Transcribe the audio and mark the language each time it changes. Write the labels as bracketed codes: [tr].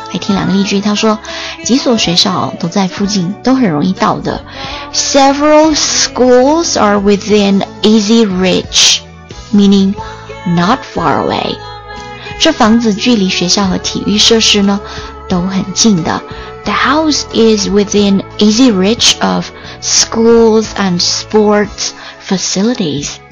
[zh] 来听两个例句，他说几所学校都在附近，都很容易到的。 [en] Several schools are within easy reach, meaning not far away。 [zh] 这房子距离学校和体育设施呢都很近的。 [en] The house is within easy reach of schools and sports facilities。